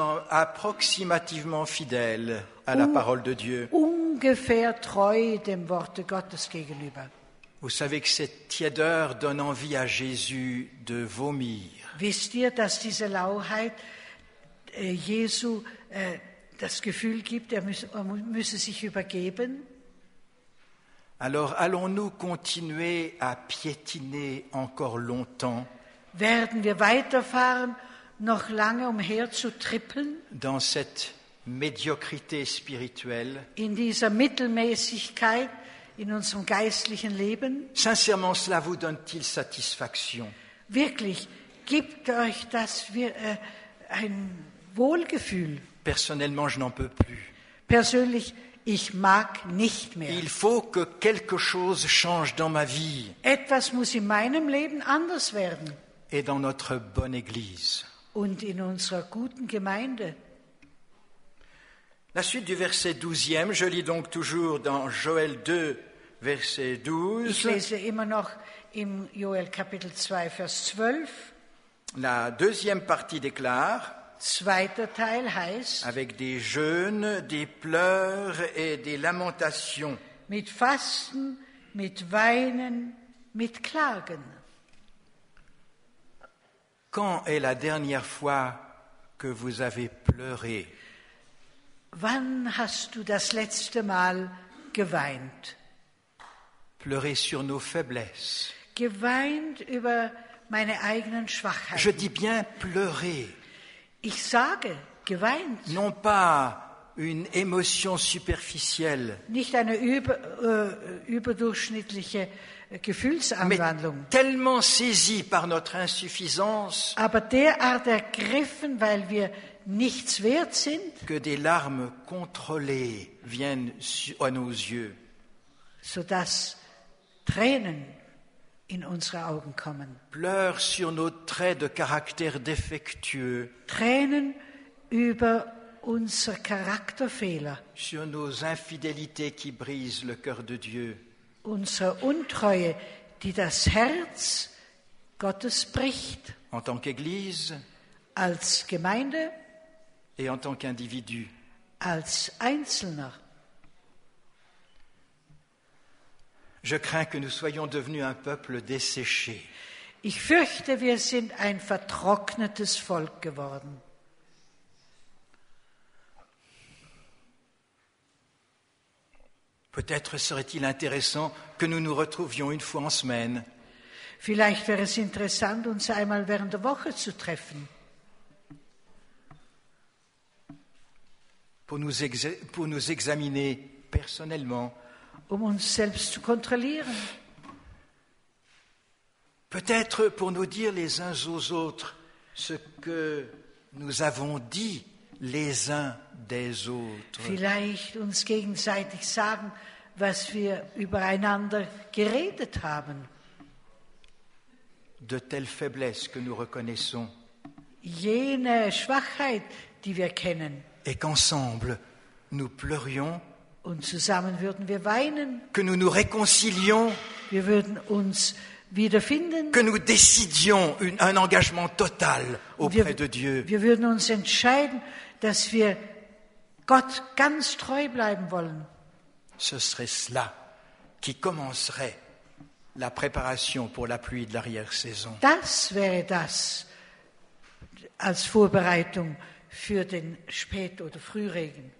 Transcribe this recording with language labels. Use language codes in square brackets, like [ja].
[fr] Approximativement fidèle à la parole de Dieu. [de] Ungefähr treu dem Worte Gottes gegenüber. [fr] Vous savez que cette tiédeur donne envie à Jésus de vomir. [de] Wisst ihr, dass diese Lauheit Jesu das Gefühl gibt, er müsse sich übergeben? [fr] Alors allons-nous continuer à piétiner encore longtemps? [de] Werden wir weiterfahren, noch lange umherzutrippeln, [fr] dans cette médiocrité spirituelle, [de] in dieser Mittelmäßigkeit in unserem geistlichen Leben. [fr] Sincèrement, cela vous donne-t-il satisfaction? [de] Wirklich, gibt euch das ein Wohlgefühl? [fr] Personnellement, je n'en peux plus. [de] Persönlich, ich mag nicht mehr. [fr] Il faut que quelque chose change dans ma vie. [de] Etwas muss in meinem Leben anders werden. [fr] Et dans notre bonne église. [de] Und in unserer guten Gemeinde. [fr] La suite du verset 12e, je lis donc toujours dans Joël 2, verset 12. [de] Ich lese immer noch im Joël Kapitel 2, Vers 12. [fr] La deuxième partie déclare. [de] Zweiter Teil heißt. [fr] Avec des jeûnes, des pleurs et des lamentations. [de] Mit Fasten, mit Weinen, mit Klagen. [fr] Quand est la dernière fois que vous avez pleuré? [de] Wann hast du das letzte Mal geweint? [fr] Pleurer sur nos faiblesses. [de] Geweint über meine eigenen Schwachheiten. [fr] Je dis bien pleurer. [de] Ich sage geweint. [fr] Non pas une émotion superficielle. [de] Nicht eine überdurchschnittliche Gefühlsanwandlung. [fr] Mais tellement saisi par notre insuffisance. [de] Aber derart ergriffen, weil wir nichts wert sind, [fr] que des larmes contrôlées viennent à nos yeux, [de] sodass Tränen in unsere Augen kommen. [fr] Pleure sur nos traits de caractère défectueux. [de] Tränen über unser Charakterfehler. [fr] Sur nos infidélités qui brisent le cœur de Dieu. [de] Unsere Untreue, die das Herz Gottes bricht. [fr] En tant qu'Église. [de] Als Gemeinde. [fr] Et en tant qu'individu. [de] Als Einzelner. [fr] Je crains que nous soyons devenus un peuple desséché. [de] Ich fürchte, wir sind ein vertrocknetes Volk geworden. [fr] Peut-être serait-il intéressant que nous nous retrouvions une fois en semaine. [de] Vielleicht wäre es interessant, uns einmal während der Woche zu treffen. [fr] Pour nous examiner personnellement. [de] Um uns selbst zu kontrollieren. [fr] Peut-être pour nous dire les uns aux autres ce que nous avons dit les uns des autres. [de] Vielleicht uns gegenseitig sagen, was wir übereinander geredet haben. [fr] De telles faiblesses que nous reconnaissons. [de] Jene Schwachheit, die wir kennen. [fr] Et qu'ensemble nous pleurions. [de] Und zusammen würden wir weinen. [fr] Que nous nous réconcilions. [de] Wir würden uns wiederfinden. [fr] Que nous décidions un engagement total auprès de Dieu. [de] Wir würden uns entscheiden, dass wir Gott ganz treu bleiben wollen. [fr] Ce serait cela qui commencerait la préparation pour la pluie de l'arrière-saison. [de] Das wäre das als Vorbereitung für den Spät- oder Frühregen.